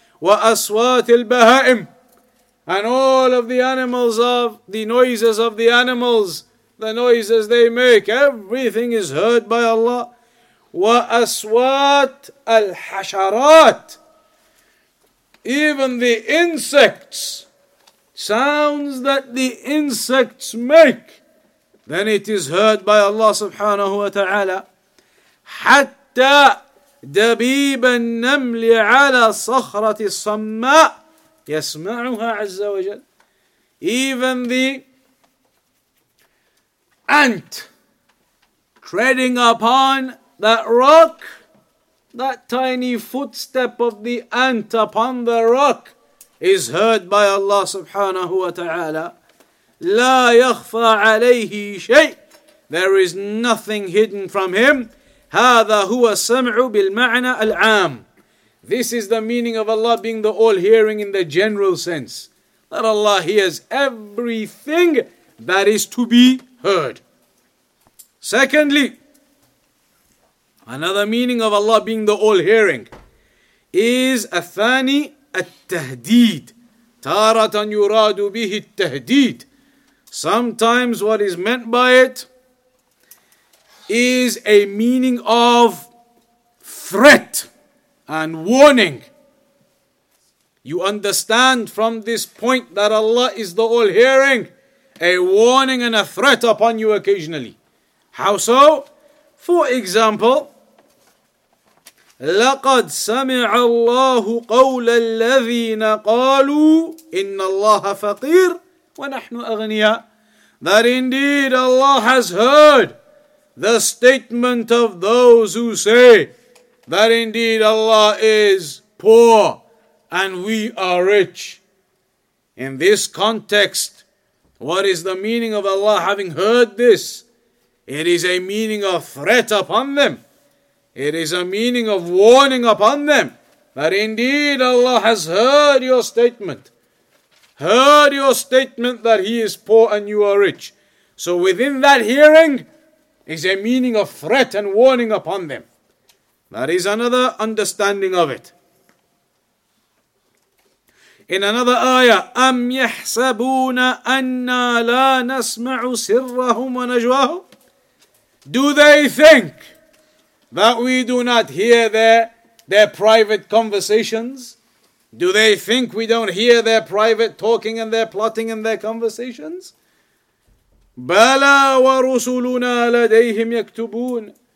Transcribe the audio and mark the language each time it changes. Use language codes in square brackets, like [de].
[ar] Wa aswatil baha'im, [en] and all of the animals, of the noises of the animals, the noises they make, everything is heard by Allah. [ar] Wa aswat al hasharat, [en] even the insects, sounds that the insects make, then it is heard by Allah subhanahu wa ta'ala. [ar] Hatta دبيب النمل على صخرة الصماء يسمعها عز وجل. [en] Even the ant treading upon that rock, that tiny footstep of the ant upon the rock, is heard by Allah subhanahu wa ta'ala. [ar] لا يخفى عليه شيء, [en] there is nothing hidden from him. [ar] هذا هو السمع بالمعنى العام. [en] This is the meaning of Allah being the all-hearing in the general sense, that Allah hears everything that is to be heard. Secondly, another meaning of Allah being the all-hearing is [ar] الثاني التهديد. تارة يراد به التهديد. [en] Sometimes what is meant by it is a meaning of threat and warning. You understand from this point that Allah is the all-hearing, a warning and a threat upon you occasionally. How so? For example, [ar] لَقَدْ سَمِعَ اللَّهُ قَوْلَ الَّذِينَ قَالُوا إِنَّ اللَّهَ فَقِيرٌ وَنَحْنُ أَغْنِيَاءٌ. [en] That indeed Allah has heard the statement of those who say that indeed Allah is poor and we are rich. In this context, what is the meaning of Allah having heard this? It is a meaning of threat upon them. It is a meaning of warning upon them, that indeed Allah has heard your statement. Heard your statement that he is poor and you are rich. So within that hearing is a meaning of threat and warning upon them. That is another understanding of it. In another ayah, [ar] أَمْ يَحْسَبُونَ أَنَّا لَا نَسْمَعُ سِرَّهُمْ وَنَجْوَاهُمْ. [en] Do they think that we do not hear their private conversations? Do they think we don't hear their private talking and their plotting and their conversations? [ar] بَلَا وَرُسُلُنَا لَدَيْهِمْ يَكْتُبُونَ.